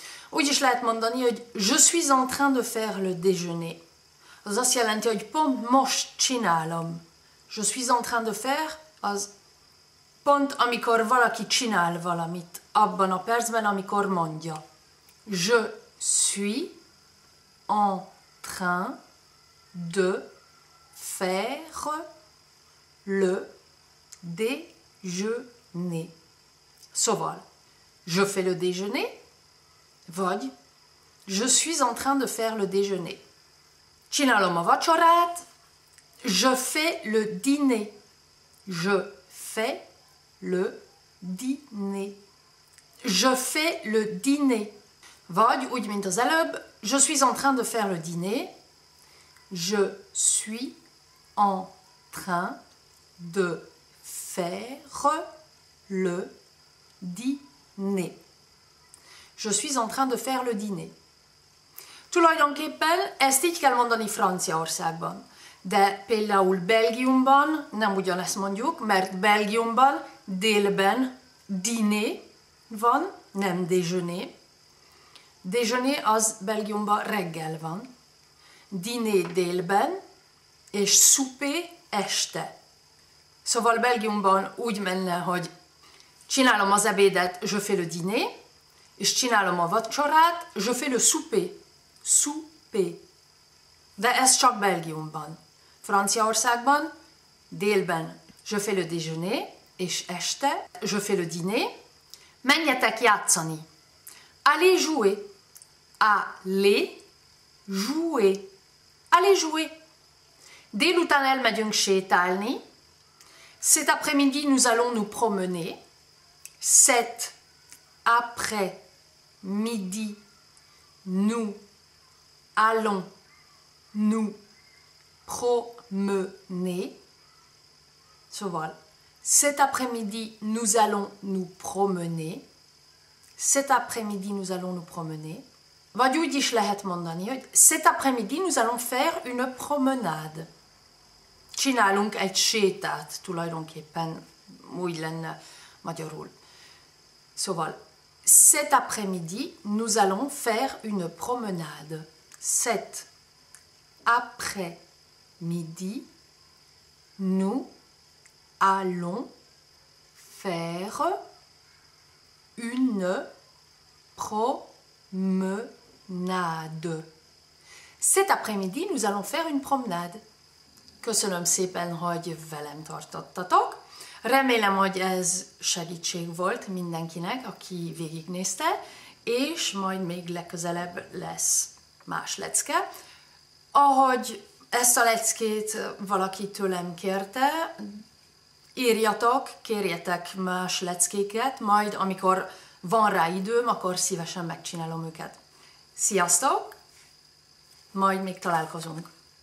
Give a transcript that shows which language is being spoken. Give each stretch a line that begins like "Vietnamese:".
Hungarian: Úgy is lehet mondani, hogy
French: je suis en train de faire le déjeuner.
Hungarian: Az azt jelenti, hogy pont most csinálom.
French: Je suis en train de faire,
Hungarian: az pont amikor valaki csinál valamit, abban a percben, amikor mondja.
French: Je suis en train de faire le déjeuner.
Hungarian: Szóval,
French: je fais le déjeuner.
Hungarian: Vagy,
French: je suis en train de faire le déjeuner.
Hungarian: Csinálom a vacsorát.
French: Je fais le dîner. Je fais le dîner. Je fais le dîner.
Hungarian: Vagy, úgy mint az előbb,
French: je suis en train de faire le dîner. Je suis en train de faire le dîner. Je suis en train de faire le dîner.
Hungarian: Tulajdonképpen ezt így kell mondani Franciaországban. De például Belgiumban nem ugyanezt mondjuk, mert Belgiumban délben dîner van, nem déjeuner. Déjeuner az Belgiumban reggel van. Dîner délben, és souper este. Szóval Belgiumban úgy menne, hogy csinálom az ebédet,
French: je fais le dîner.
Hungarian: És csinálom a vacsorát,
French: je fais le souper. Souper.
Hungarian: De ez csak Belgiumban. Franciaországban délben
French: je fais le déjeuner,
Hungarian: és este
French: je fais le dîner.
Hungarian: Menjetek játszani.
French: Allez jouer. Allez jouer. Allez jouer.
Hungarian: Délután elmegyünk sétálni.
French: Cet après-midi nous allons nous promener. Cet après midi, nous allons promener.
Hungarian: Szóval,
French: cet après-midi, nous allons nous promener. Cet après-midi, nous allons nous promener.
Hungarian: Vagy úgy is lehet mondani, hogy
French: cet après-midi, nous allons faire une promenade.
Hungarian: Csinálunk egy sétát, tulajdonképpen, úgy lenne magyarul. Szóval,
French: cet après-midi, nous allons faire une promenade. Cet après-midi, nous allons faire une promenade. Cet après-midi, nous allons faire une promenade.
Hungarian: Köszönöm szépen, hogy velem tartottatok. Remélem, hogy ez segítség volt mindenkinek, aki végignézte, és majd még legközelebb lesz más lecke. Ahogy ezt a leckét valaki tőlem kérte, írjatok, kérjetek más leckéket, majd amikor van rá időm, akkor szívesen megcsinálom őket. Sziasztok! Majd még találkozunk!